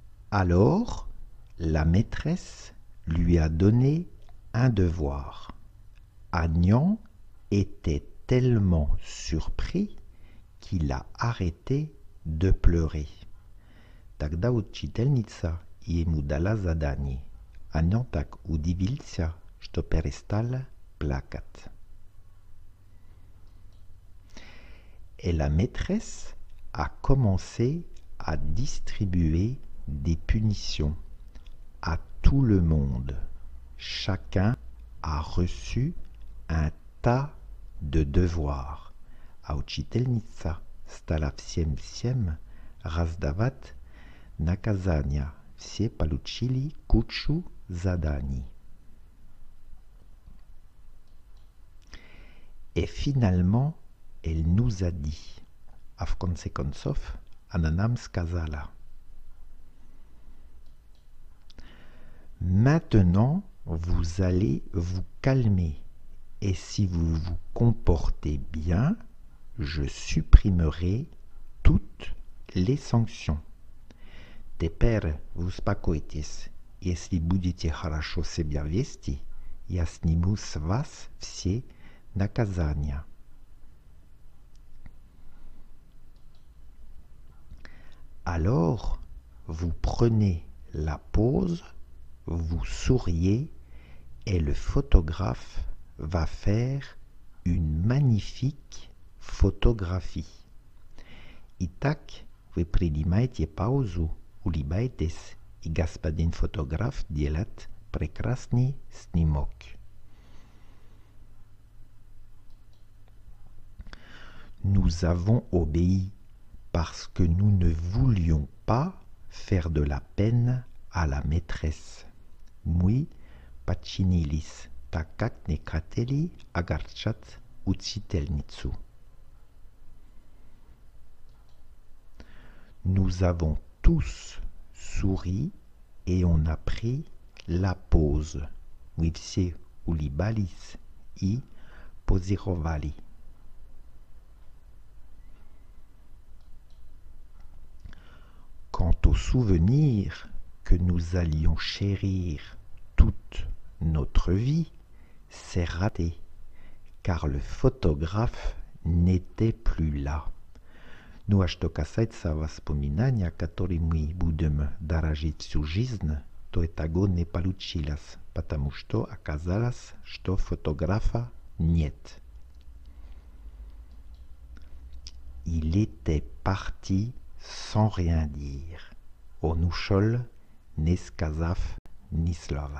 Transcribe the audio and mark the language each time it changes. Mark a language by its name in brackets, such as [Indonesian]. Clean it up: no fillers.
[French] Alors, la maîtresse lui a donné un devoir. Agnan était tellement surpris qu'il a arrêté de pleurer. [Russian] Тогда учительница ему дала задание. Агнан так удивился, что перестал плакать. [French] Et la maîtresse a commencé à distribuer des punitions à tout le monde. Chacun a reçu un tas de devoirs. [Russian] А учительница стала всем раздавать наказания. Все получили кучу заданий. [French] Et finalement, elle nous a dit. [Russian] А в конце концов, она нам сказала. [French] Maintenant, vous allez vous calmer. Et si vous vous comportez bien, je supprimerai toutes les sanctions. [Russian] Теперь вы успокойтесь. Если будете хорошо себя вести, я сниму с вас все наказания. [French] Alors, vous prenez la pause, vous souriez et le photographe va faire une magnifique photographie. [Russian] Итак, вы принимаете паузу, улыбаетесь, и господин фотограф делает прекрасный снимок. [French] Nous avons obéi parce que nous ne voulions pas faire de la peine à la maîtresse. [Russian] Мы подчинились. Так как не хотели огорчать учительницу. [French] Nous avons tous souri et on a pris la pause. [Russian] Мы все улыбались и позировали. [French] Quant au souvenir que nous allions chérir toute notre vie, c'est raté, car le photographe n'était plus là. [Russian] Ну а что касается воспоминания, которые мы будем дорожить всю жизнь, то этого не получилось, потому что оказалось, что фотографа нет. [French] Il était parti sans rien dire. [Russian] Он ушел, не сказав ни слова.